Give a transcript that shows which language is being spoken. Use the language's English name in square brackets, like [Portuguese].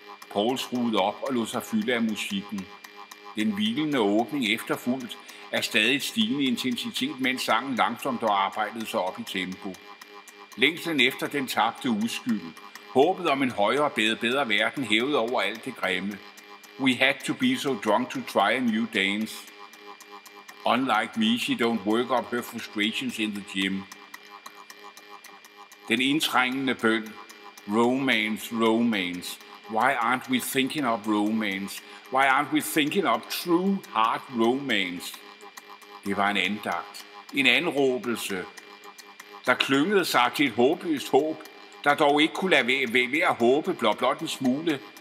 [Danish] Poul skruede op og lod sig fylde af musikken. Den hvilende åbning efterfulgt er stadig stigende intensitet, mens sangen langsomt og arbejdede sig op i tempo. Længslen efter den tabte uskyld. Håbet om en højere og bedre verden hævet over alt det grimme. [English] We had to be so drunk to try a new dance. Unlike me, she don't work up her frustrations in the gym. [Danish] Den indtrængende bøn. [English] Romance, romance. Why aren't we thinking of romance? Why aren't we thinking of true heart romance? [Danish] Det var en andagt. En anråbelse. Der klyngede sig til et håbløst håb, der dog ikke kunne lade være at håbe blot en smule.